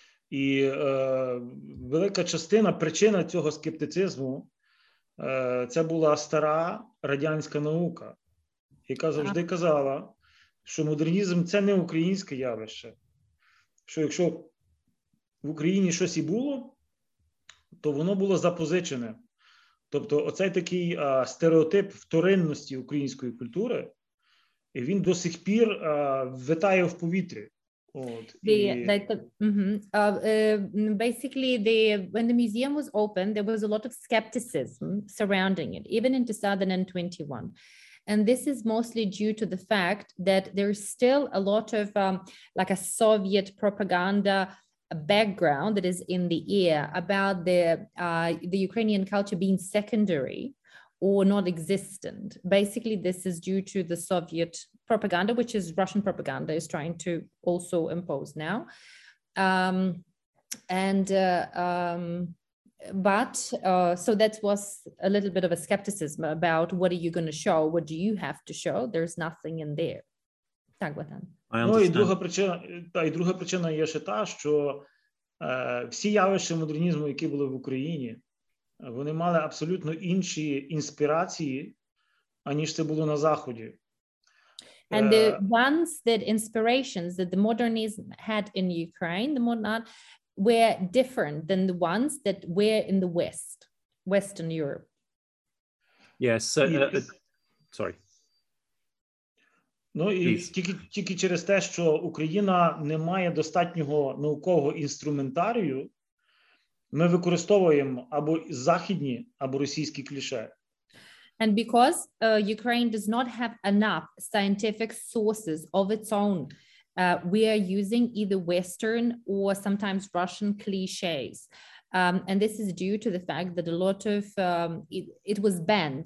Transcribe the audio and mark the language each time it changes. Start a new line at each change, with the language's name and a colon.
Ukrainian: І велика частина, причина цього скептицизму, це була стара радянська наука, яка завжди казала, що модернізм – це не українське явище. Що якщо в Україні щось і було, то воно було запозичене. Тобто оцей такий стереотип вторинності української культури, і він до сих пір витає в повітрі.
English: Basically, when the museum was opened, there was a lot of skepticism surrounding it, even in 2021. And this is mostly due to the fact that there is still a lot of like a Soviet propaganda background that is in the air about the Ukrainian culture being secondary or non-existent. Basically, this is due to the Soviet propaganda, which is Russian propaganda is trying to also impose now. So that was a little bit of a skepticism about what are you going to show, what do you have to show, there's nothing in there.
Ukrainian: Так, Богдан. Ну, і друга причина є ще та, що всі явища модернізму, які були в Україні, вони мали абсолютно інші інспірації, аніж це було на Заході.
English: And the ones that inspirations that the modernism had in Ukraine, the modern art, were different than the ones that were in the West, Western Europe. Yes. Sorry.
Ukrainian: Ну, і тільки через те, що Україна не має достатнього наукового інструментарію, ми використовуємо або західні, або російські кліше.
English: And because Ukraine does not have enough scientific sources of its own, we are using either Western or sometimes Russian cliches. And this is due to the fact that a lot of it was banned.